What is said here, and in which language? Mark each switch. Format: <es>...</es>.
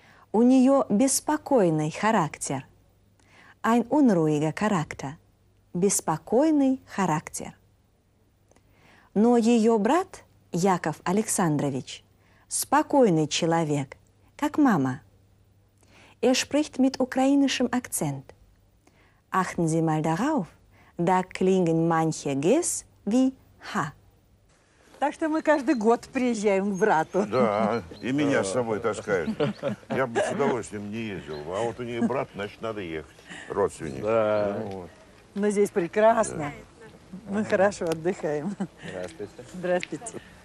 <ru>У нее беспокойный характер.</ru> <de>Ein unruhiger Charakter.</de> <ru>Беспокойный характер. Но ее брат Яков Александрович спокойный человек, как мама.</ru> <de>Er spricht mit ukrainischem Akzent. Achten Sie mal darauf, da klingen manche Gs wie H.</de> <ru>Так что мы каждый год приезжаем к брату. Да, и меня с собой таскают. Я бы с удовольствием не ездил. А вот у нее брат, значит, надо ехать. Родственник. Да. Ну, здесь прекрасно. Да. Мы хорошо отдыхаем. Здравствуйте. Здравствуйте.</ru>